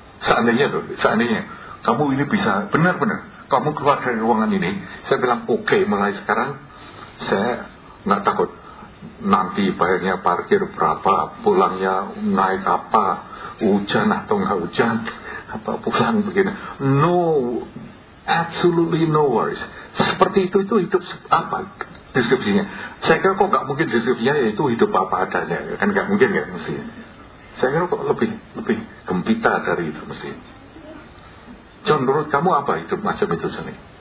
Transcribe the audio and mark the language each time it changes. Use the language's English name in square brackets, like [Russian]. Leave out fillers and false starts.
[Indonesian] Seandainya loh, seandainya kamu ini bisa benar-benar kamu keluar dari ruangan ini, saya bilang okay, mulai sekarang saya nggak takut nanti bayarnya parkir berapa, pulangnya naik apa, hujan atau nggak hujan, apa pulang begini. [English] No, absolutely no worries. [Indonesian] Seperti itu hidup apa? Deskripsinya, saya kira kok gak mungkin deskripsinya yaitu hidup apa adanya, kan gak mungkin ya mesti. Saya kira kok lebih gempita dari itu mesti. John, menurut kamu apa hidup macam itu sini?